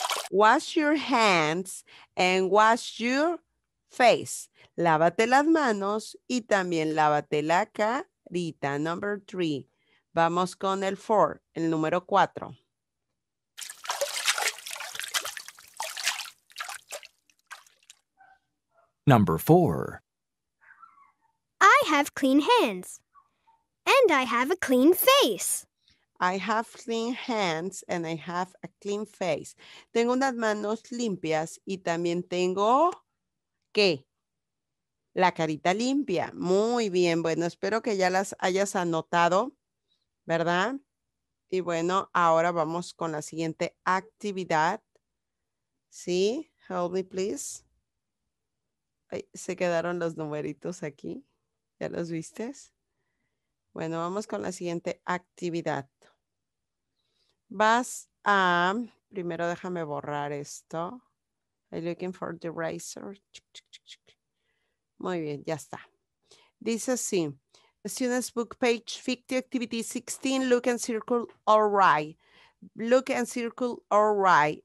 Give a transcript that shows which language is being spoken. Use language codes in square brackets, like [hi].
[en] Wash your hands and wash your face. [es] Lávate las manos y también lávate la carita. [en] Number three. [es] Vamos con el four, el número cuatro. [en] Number four. I have clean hands and I have a clean face. I have clean hands and I have a clean face. [es] Tengo unas manos limpias y también tengo, ¿qué? La carita limpia. Muy bien. Bueno, espero que ya las hayas anotado, ¿verdad? Y bueno, ahora vamos con la siguiente actividad. ¿Sí? [en] Help me, please. [es] Ay, se quedaron los numeritos aquí. ¿Ya los viste? Bueno, vamos con la siguiente actividad. Vas a... Primero déjame borrar esto. [en] I'm looking for the eraser. [es] Muy bien, ya está. Dice así. [en] Students book page 50 activity 16. Look and circle all right. Look and circle all right.